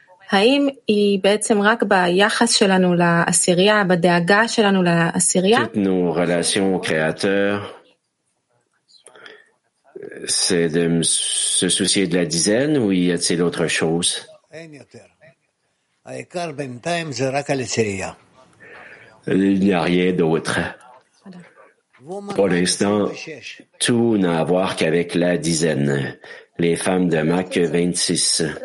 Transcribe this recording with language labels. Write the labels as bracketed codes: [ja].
[he] האם היא בעצם רק ביחס שלנו לעשירייה, בדאגה שלנו לעשירייה? [fr] Toutes nos relations au créateur, c'est de se soucier de la dizaine ou y a-t-il autre chose? [he] אין יותר. העיקר בינתיים זה רק על עשירייה. [fr] Il n'y a rien d'autre. Pour l'instant, tout n'a à voir qu'avec la dizaine. Les femmes de Mac 26.